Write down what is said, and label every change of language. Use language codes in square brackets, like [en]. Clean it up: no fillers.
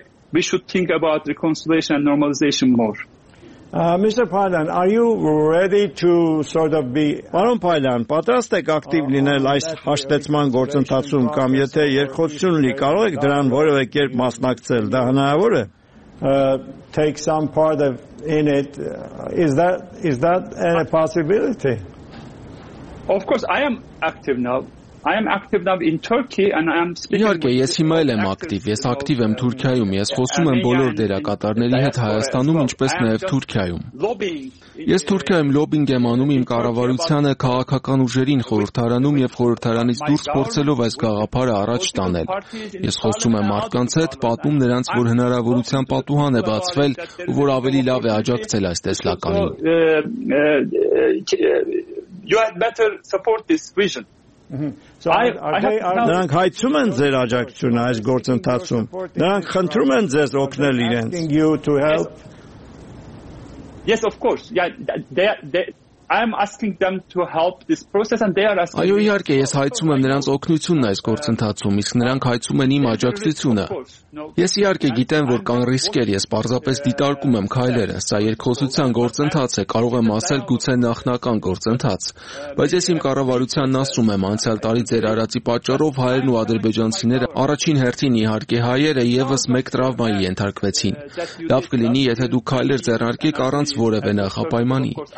[en] We should think about reconciliation and normalization more. Mr. Paylan, are you ready to sort of be... [hy] Պարոն Փայլյան, պատրաստ եք ակտիվ լինել այս հաշտեցման գործընթացում, կամ եթե երկխոսություն լինի, կարող եք դրան որևէ կերպ մասնակցել, դա հնարավոր է? [en] Take some part of in it. Is that a possibility? Of course, I am active now. [hy] Իհարկե, ես հիմա էլ եմ ակտիվ, ես ակտիվ եմ Թուրքիայում, ես խոսում եմ բոլոր դերակատարների հետ Հայաստանում, ինչպես նաև Թուրքիայում։ Ես Թուրքիայում լոբինգ եմ անում իմ կառավարությանը, քաղաքական ուժերին, խորհրդարանում եւ խորհրդարանից դուրս փորձելով այս գաղափարը առաջ տանել։ Ես խոսում եմ մարդկանց հետ, պատմում նրանց, որ հնարավորության պատուհան է բացվել, որ ավելի լավ է աջակցել այս տեսլականին։ [en] You had better support this vision. [hy] So նրանք հայցում են ձեր աջակցությունը այս գործընթացում։ Նրանք խնդրում են ձեզ օգնել իրենց։ [en] Asking you to help. Yes, of course. Yeah, I am asking them to help this process and they are asking. [hy] Այո, իհարկե, ես հայցում եմ նրանց օգնությունն այս գործընթացում, իսկ նրանք հայցում են իմ աջակցությունը։ Ես իհարկե գիտեմ, որ կան ռիսկեր, ես պարզապես դիտարկում եմ քայլերը, սա երկխոսության գործընթաց է, կարող եմ ասել գուցե նախնական գործընթաց, բայց ես իմ կառավարությանն ասում եմ, անցյալ տարի ձեր արածի պատճառով հայերն ու ադրբեջանցիները առաջին հերթին իհարկե հայերը եւս մեկ տրավմայի ենթարկվեցին։ Լավ կլինի, եթե դուք քայլեր ձեռնարկեք առանց որևէ նախապայմանի։